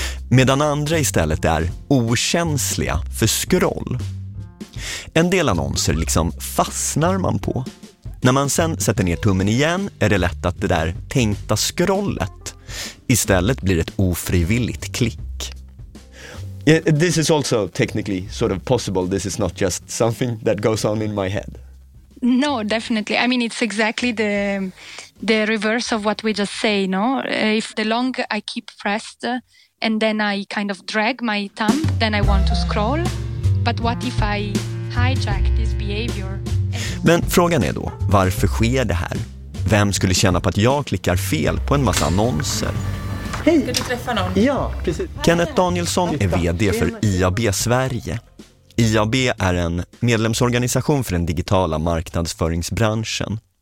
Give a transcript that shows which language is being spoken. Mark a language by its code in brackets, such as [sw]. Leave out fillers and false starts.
[sv] Medan andra istället är okänsliga för scroll. En del annonser liksom fastnar man på. När man sen sätter ner tummen igen är det lätt att det där tänkta scrollet istället blir ett ofrivilligt klick. [en] Yeah, this is also technically sort of possible. This is not just something that goes on in my head. No, definitely. I mean, it's exactly the reverse of what we just say, no? If the long I keep pressed and then I kind of drag my thumb, then I want to scroll. But what if I hijack this behavior? [sv] Men frågan är då, varför sker det här? Vem skulle känna på att jag klickar fel på en massa annonser? Hej! Ska du träffa någon? Ja, precis. Kenneth Danielsson är vd för IAB Sverige. IAB är en medlemsorganisation för den digitala marknadsföringsbranschen.